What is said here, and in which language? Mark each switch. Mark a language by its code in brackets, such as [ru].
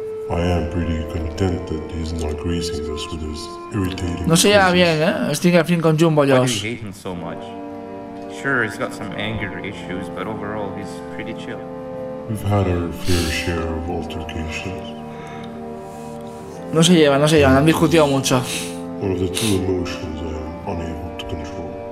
[en] I am pretty content that he's not greasing us with his irritating. [es] No se lleva bien, Stinger Flynn con Jumbo Josh. [en] Why do you hate him so much? Sure, he's got some anger issues, but overall he's pretty chill. We've had our fair share of altercations. [es] No se lleva, no se lleva. Han discutido mucho. [en] One of the two emotions I am unable to control.